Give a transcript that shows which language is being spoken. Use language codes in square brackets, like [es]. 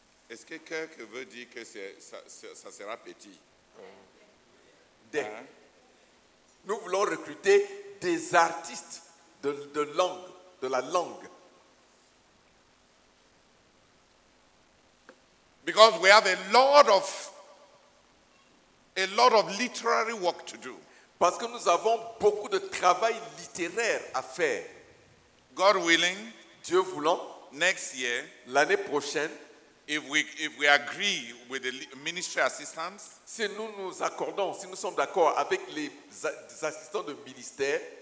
[fr] Est-ce que quelqu'un veut dire que ça sera petit? Hein? Nous voulons recruter des artistes de langue, de la langue. [en] Because we have a lot of literary work to do. [fr] Parce que nous avons beaucoup de travail littéraire à faire. [en] God willing, [fr] Dieu voulant, [en] next year, [fr] l'année prochaine, [en] if we agree with the ministry assistants, [fr] si nous nous accordons, si nous sommes d'accord avec les assistants de ministère,